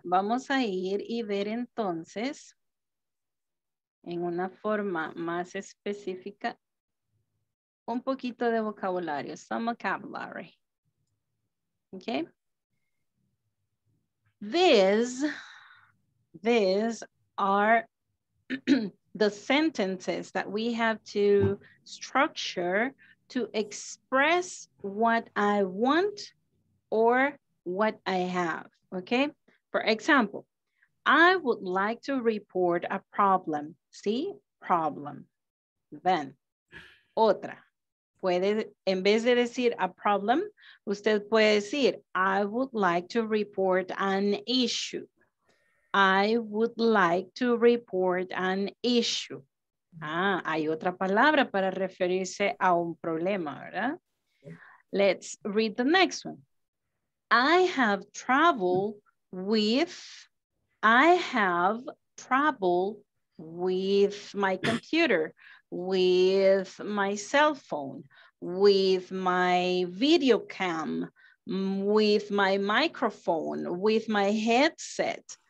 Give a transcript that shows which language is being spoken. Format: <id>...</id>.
<es>Vamos a ir y ver entonces en una forma más específica un poquito de vocabulario,</es> <en>some vocabulary. Okay. These are the sentences that we have to structure to express what I want or what I have, okay? For example, I would like to report a problem. See, problem. Then, otra.</en> <es>Puede, en vez de decir a problem, usted puede decir,</es> <en>I would like to report an issue. I would like to report an issue.</en> <es>Ah, hay otra palabra para referirse a un problema, ¿verdad?</es> <en>Let's read the next one. I have trouble with my computer, with my cell phone, with my video cam, with my microphone, with my headset.</en>